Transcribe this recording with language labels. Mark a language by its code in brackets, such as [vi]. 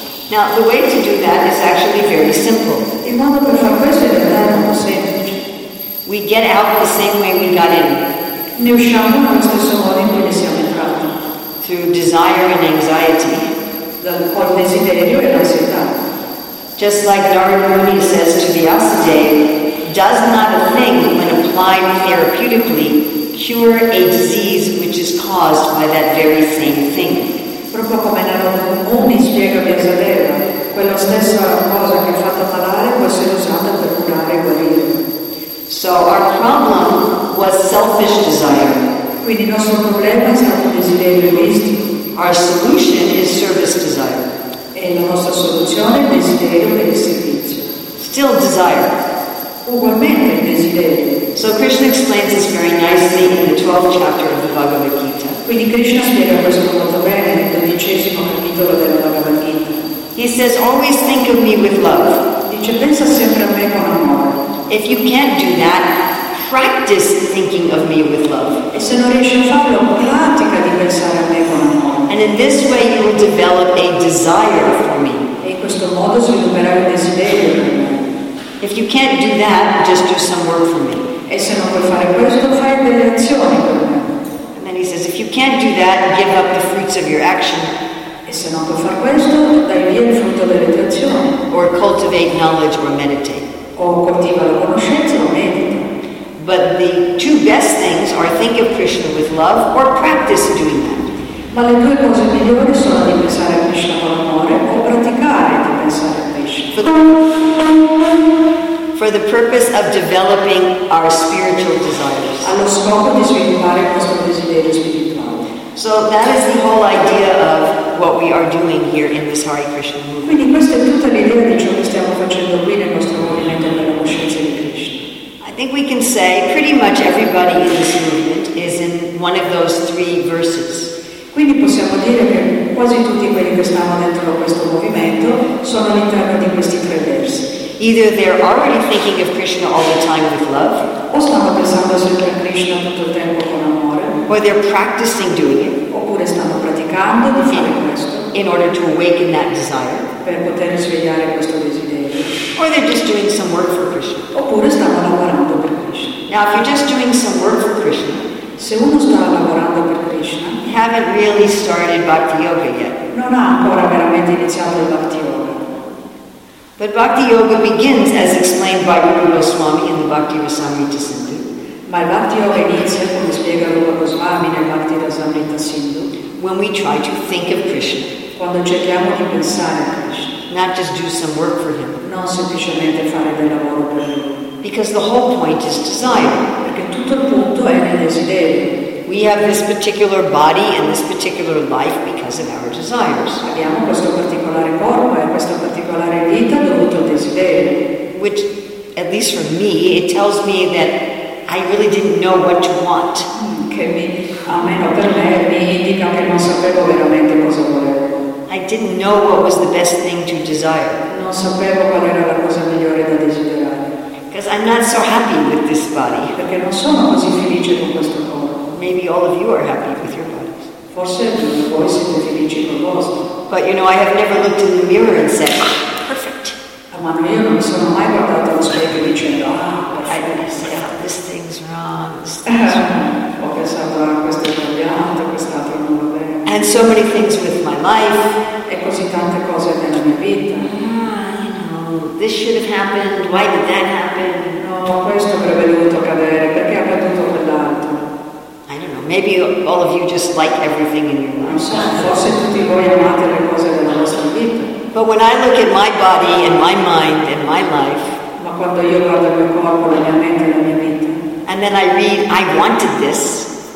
[en] Now the way to do that is actually very simple. [it] Il modo per far questo è veramente semplice. [en] We get out the same way we got in. [it] Ne usciamo nello stesso modo in cui ne siamo entrati. [en] Through desire and anxiety. [it] Col desiderio e l'ansietà. [en] Just like Narada Muni says to Vyasadeva, does not a thing, when applied therapeutically, cure a disease which is caused by that very same thing. [it] Proprio come Narada Muni spiega Vyasadeva, quella stessa cosa che è fatta parlare può essere usata per curare e guarire. [en] So our problem was selfish desire. [it] Quindi il nostro problema è stato desiderio egoistico. [en] Our solution is service desire. [it] E la nostra soluzione è desiderio per il servizio. [en] Still desire. [it] Ugualmente il desiderio. [en] So Krishna explains this very nicely in the 12th chapter of the Bhagavad Gita. [it] Quindi Krishna spiega questo molto bene nel 12° capitolo della Bhagavad Gita. [en] He says, always think of me with love. [it] Dice, pensa sempre a me con amore. [en] If you can't do that, practice thinking of me with love. [it] E se non riesci a farlo, pratica di pensare a me con amore. [en] And in this way you will develop a desire for me. [it] E in questo modo svilupperai un desiderio per me. [en] If you can't do that, just do some work for me. [it] E se non puoi fare questo, fai delle azioni per me. [en] And then he says, if you can't do that, give up the fruits of your action. [it] E se non puoi fare questo, dai via il frutto delle tue azioni. [en] Or cultivate knowledge or meditate. [it] O coltiva la conoscenza o medita. [en] But the two best things are think of Krishna with love or practice doing that. [it] Ma le due cose migliori sono di pensare a Krishna con amore o praticare di pensare a Krishna. [en] For the purpose of developing our spiritual desires. [it] Allo scopo di sviluppare il nostro desiderio spirituale. [en] So that is the whole idea of what we are doing here in this Hare Krishna movement. [it] Quindi questa è tutta l'idea di ciò che stiamo facendo qui nel nostro movimento della coscienza di Krishna. [en] I think we can say pretty much everybody in this movement is in one of those three verses. [it] Quindi possiamo dire che quasi tutti quelli che stanno dentro questo movimento sono all'interno di questi tre versi. [en] Either they're already thinking of Krishna all the time with love, [it] o stanno pensando sempre a Krishna tutto il tempo con amore, [en] or they're practicing doing it, [it] oppure stanno praticando di fare questo, [en] in order to awaken that desire, [it] per poter svegliare questo desiderio, [en] or they're just doing some work for Krishna, [it] oppure stanno lavorando per Krishna. [en] Now, if you're just doing some work for Krishna, [it] se uno sta lavorando per Krishna, [en] haven't really started Bhakti Yoga yet. [it] Non ha ancora veramente iniziato il Bhakti Yoga. [en] But Bhakti Yoga begins, as explained by Guru Goswami in the Bhakti Rasamrita Sindhu. [it] Ma il Bhakti Yoga inizia, come spiega Guru Goswami nel Bhakti Rasamrita Sindhu, [en] when we try to think of Krishna. [it] Quando cerchiamo di pensare a Krishna. [en] Not just do some work for him. [it] Non semplicemente fare del lavoro per lui. [en] Because the whole point is desire. [it] Perché tutto il punto è nel desiderio. [en] We have this particular body and this particular life because of our desires. [it] Abbiamo questo particolare corpo e questa particolare vita dovuto al desiderio. [en] Which, at least for me, it tells me that I really didn't know what to want. [it] Che almeno per me mi indica che non sapevo veramente cosa volevo. [en] I didn't know what was the best thing to desire. [it] Non sapevo qual era la cosa migliore da desiderare. [en] Because I'm not so happy with this body. [it] Perché non sono così felice con questo corpo. [en] Maybe all of you are happy with your bodies. [it] Forse tutti voi siete felici con vostro. [en] But you know, I have never looked in the mirror and said, ah, perfect. [it] Ma io non sono mai guardato allo specchio dicendo, ah, [en] I say, yeah, this thing's wrong, this thing's wrong. [it] Ho pensato, ah, questo è sbagliato, quest'altro non va bene. [en] And so many things with my life. [it] E così tante cose nella mia vita. [en] This should have happened. Why did that happen? [it] No, questo avrebbe dovuto accadere. Perché è accaduto quell'altro? [en] I don't know. Maybe all of you just like everything in your life. [it] Forse tutti voi amate le cose della vostra vita. [en] But when I look at my body and my mind and my life, [it] ma quando io guardo il mio corpo, la mia mente e la mia vita, [en] and then I read, I wanted this.